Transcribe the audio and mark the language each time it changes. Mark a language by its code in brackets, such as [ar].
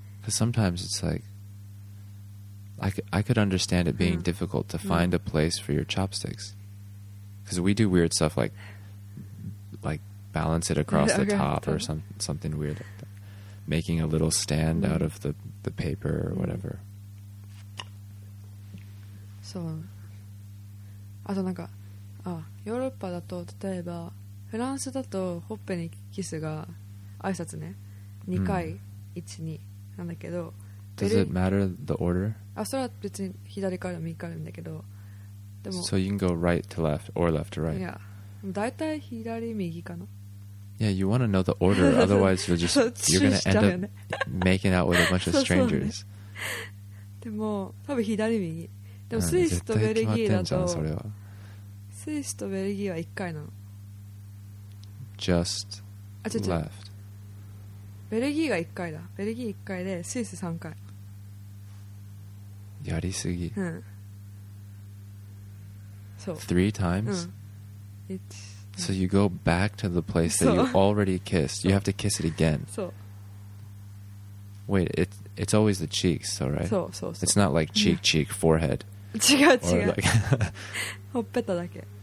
[en] Because sometimes it's likeI could understand it being difficult to find a place for your chopsticks. Because we do weird stuff like balance it across the top or something weird like that. Making a little stand out of the paper or whatever. [ja] そう。あとなんか、あ、ヨーロッパだと、例えば、フランスだと、ほっぺにキスが、挨拶ね、2回、1、2なんだけど、 [en] Does it matter the order? [ja] あ、それは別に左から右からなんだけど、 [en] でも、So you can go right to left or left to right. [ja] だいたい左右かな。 [en] Yeah, you want to know the order, otherwise you'll just you're going to end up making out with a bunch of strangers. [ja] でも、多分左右。でもスイスとベルギーだと、それは。スイスとベルギーは1回なの。 [en] Just left. [ja] ベルギーが1回だ。ベルギー1回でスイス3回。やりすぎ。うん。そう。 [en] 3 times? [ja] うん。1、 [en] So you go back to the place that you already kissed. You have to kiss it again. So. Wait, it's always the cheeks, though, right? So, so, so. It's not like cheek, cheek, forehead. [ja] 違う違う。 Like ほっぺただけ。